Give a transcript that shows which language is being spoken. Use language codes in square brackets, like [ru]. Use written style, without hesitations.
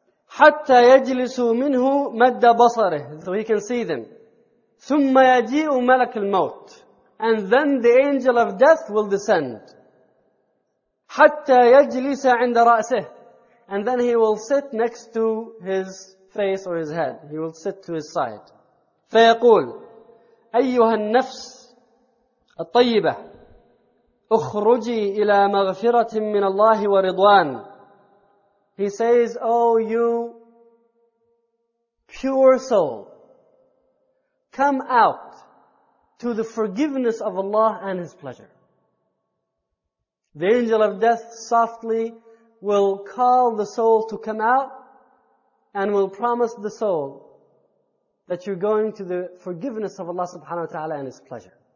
[ar] حَتَّى يَجْلِسُوا مِنْهُ مَدَّ بَصَرِهِ. [en] So he can see them. [ar] ثُمَّ يَجِيءُ مَلَكُ الْمَوْتِ. [en] And then the angel of death will descend. [ar] حَتَّى يَجْلِسَ عِنْدَ رَأْسِهِ. [en] And then he will sit next to his face or his head. He will sit to his side. [ar] فَيَقُولُ أَيُّهَا النَّفْسِ الطَّيِّبَةِ أخرجي إلى مغفرة من الله ورضوان. [en] He says, "Oh, you pure soul, come out to the forgiveness of Allah and His pleasure." The angel of death softly will call the soul to come out and will promise the soul that you're going to the forgiveness of Allah subhanahu wa ta'ala and His pleasure.